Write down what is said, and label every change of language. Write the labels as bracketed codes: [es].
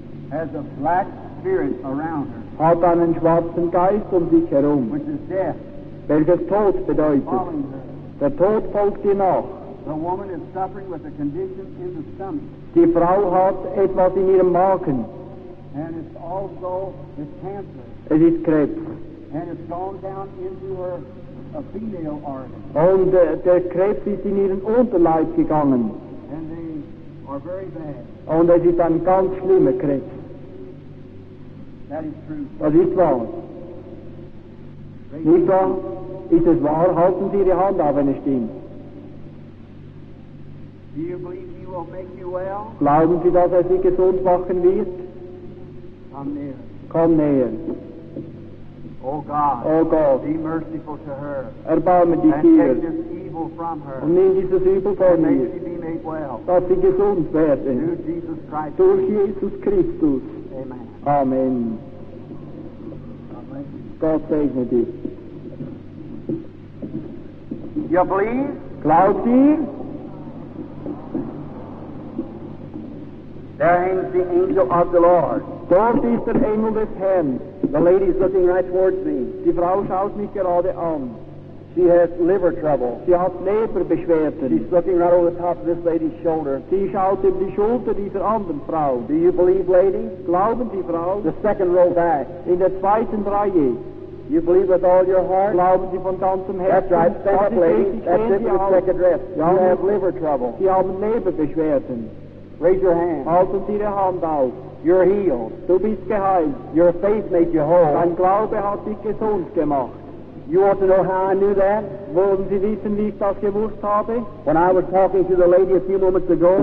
[en] has a black spirit around her, [de] hat einen schwarzen Geist um sich herum, [en] which is death, [de] welches Tod bedeutet. [en] Her. [de] Der Tod folgt ihr nach. [en] The woman is suffering with a condition in the stomach. [de] Die Frau hat etwas in ihrem Magen. [en] And it's also, it's cancer. [de] Es ist Krebs. [en] And it's gone down into her, a female organ. [de] Und der Krebs ist in ihren Unterleib gegangen. [en] And they are very bad. [de] Und es ist ein ganz schlimmer Krieg. [en] That is true. [de] Das ist wahr. Nicht wahr? Ist es wahr? Halten Sie Ihre Hand auf, wenn es stimmt. [en] Do you believe he will make you well? [de] Glauben Sie, dass er Sie gesund machen wird? [en] Come near. [de] Komm näher. [en] Oh God, oh God, be merciful to her. [de] Erbarme dich [en] and [de] hier. [en] Take this evil from her. [de] Und nimm dieses Übel von [en] and [de] ihr. [en] May she be made well. [de] Dass sie gesund werden. [en] Jesus Christ [de] durch Jesus Christus. [en] Amen. [de] Amen. Gott segne dich. [en] You believe? [de] Glaubt ihr? [en] There hangs the angel of the Lord. [de] Dort ist der Engel des Herrn. [en] The lady is looking right towards me. [de] Die Frau schaut mich gerade an. [en] She has liver trouble. [de] Sie hat Leberbeschwerden. [en] She's looking right over the top of this lady's shoulder. [de] Sie schaut in die Schulter dieser anderen Frau. [en] Do you believe, lady? [de] Glauben Sie, Frau? [en] The second row back. [de] In der zweiten Reihe. [en] You believe with all your heart? [de] Glauben Sie von ganzem Herzen? [en] That's right. Thank you, lady. That's it for the second row. You have liver trouble. [de] Sie haben Leberbeschwerden. [en] Raise your hand. [de] Halten Sie Ihre Hand auf. [en] You're healed. [de] Du bist geheilt. [en] Your faith made you whole. [de] Dein Glaube hat dich gesund gemacht. [en] You want to know how I knew that? [de] Wollen Sie wissen, wie ich das gewusst habe? [en] When I was talking to the lady a few moments ago,